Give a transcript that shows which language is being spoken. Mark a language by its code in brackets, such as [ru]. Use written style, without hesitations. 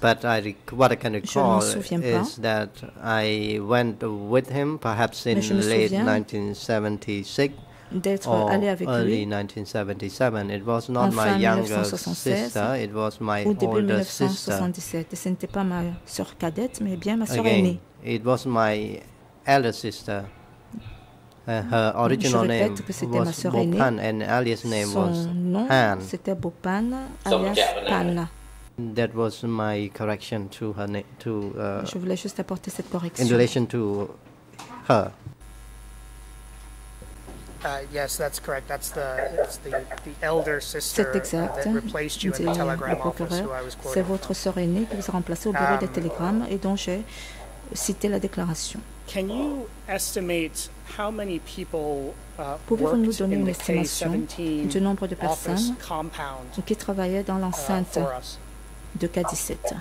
[en] But I what I can recall is that I went with him perhaps in late 1976 or early 1977. It was not my younger sister, it was my older sister. [fr] Ce n'était pas ma sœur cadette, mais bien ma sœur aînée. [en] It was my elder sister. Her original name was Bo Phan, and alias name was Han. [fr] C'était Bo Phan, alias Phan. [en] That was my correction to her name. To [fr] je voulais juste apporter cette correction. [en] In relation to her. Yes, that's correct. That's the elder sister. [fr] C'est exact. [en] That replaced you in the telegram office, who I was quoting. [fr] C'est votre sœur aînée qui vous a remplacé au bureau des télégrammes et dont j'ai cité la déclaration. [en] Can you estimate how many people [fr] pouvez-vous nous donner une estimation du nombre de personnes qui travaillaient dans l'enceinte de K17?